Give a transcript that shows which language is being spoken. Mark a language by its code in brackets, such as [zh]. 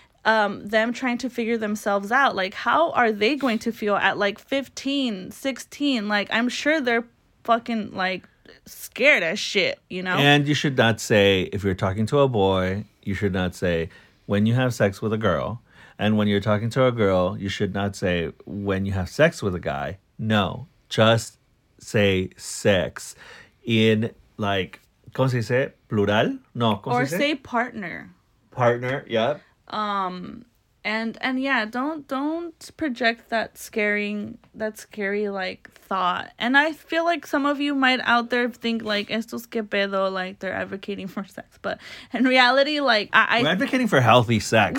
[en] them trying to figure themselves out. Like, how are they going to feel at like 15, 16? Like, I'm sure they're fucking like scared as shit, you know? And you should not say, if you're talking to a boy, you should not say, when you have sex with a girl. And when you're talking to a girl, you should not say, when you have sex with a guy. No, just say sex in like, [es] ¿cómo se dice? Plural? No, ¿cómo se dice? [en] Or say partner. Partner, yeah. And yeah, don't project that scary like thought. And I feel like some of you might out there think like [es] estos que pedo, [en] like they're advocating for sex, but in reality, like we're advocating for healthy sex.